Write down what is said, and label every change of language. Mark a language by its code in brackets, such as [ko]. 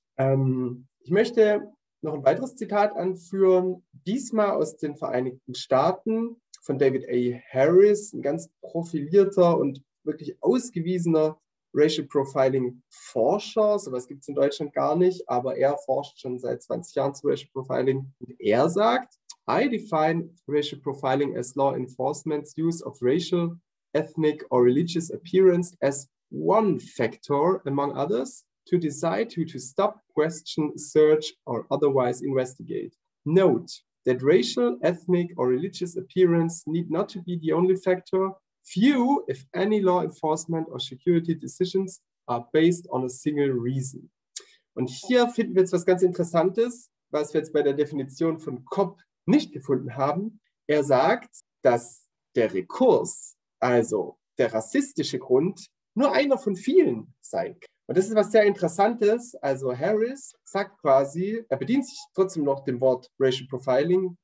[de] Ich möchte noch ein weiteres Zitat anführen, diesmal aus den Vereinigten Staaten von David A. Harris, ein ganz profilierter und wirklich ausgewiesener Racial Profiling-Forscher. Sowas gibt es in Deutschland gar nicht, aber er forscht schon seit 20 Jahren zu Racial Profiling. Und er sagt: [en] I define racial profiling as law enforcement's use of racial, ethnic or religious appearance as one factor, among others, to decide who to stop, question, search or otherwise investigate. Note that racial, ethnic or religious appearance need not to be the only factor. Few, if any, law enforcement or security decisions are based on a single reason. [de] Und hier finden wir jetzt was ganz Interessantes, was wir jetzt bei der Definition von COP nicht gefunden haben. Er sagt, dass der Rekurs, also der rassistische Grund, nur einer von vielen sein kann. Und das ist was sehr Interessantes. Also Harris sagt quasi, er bedient sich trotzdem noch dem Wort Racial Profiling.